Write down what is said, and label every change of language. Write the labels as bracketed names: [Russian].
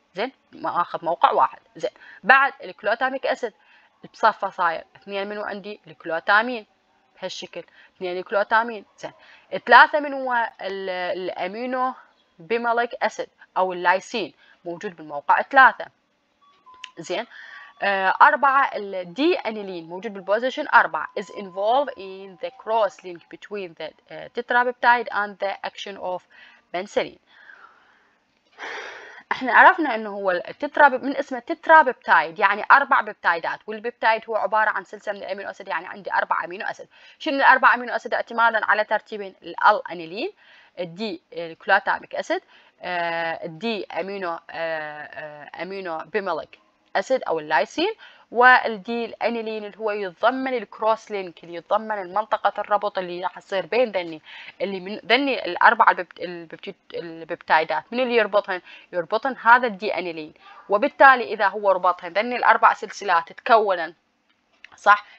[Arabic] زين، ماخذ موقع واحد. زين، بعد الكلوتاميك اسيد بصفه صاير اثنين منه عندي الكلوتامين بهالشكل، اثنين الكلوتامين. زين، ثلاثه من هو الامينو بيماليك اسيد او اللايسين موجود بالموقع ثلاثه. زين، أربعة الدي أنيلين موجود بالبوزيشن أربعة [English] is involved in the cross link between the tetrapeptide and the action of penicillin. [Arabic] احنا عرفنا انه هو التتراب من اسمه تترابيبتايد، يعني اربع بيبتايدات، والبيبتايد هو عباره عن سلسله من الامينو اسيد، يعني عندي اربع امينو اسيد. شنو الاربع امينو اسيد؟ اعتمادا على ترتيبين، الال انيلين، الدي الكلوتاميك اسيد، الدي امينو امينو بيماليك اسيد او اللايسين، والدي الانيلين اللي هو يتضمن الكروس لينك اللي يتضمن المنطقه الربط اللي راح يصير بين ذني اللي من ذني الاربعه البيبتايدات، من اللي يربطهن؟ يربطهن هذا الدي انيلين. وبالتالي اذا هو ربطهن ذني الاربع سلسلات تكونن، صح؟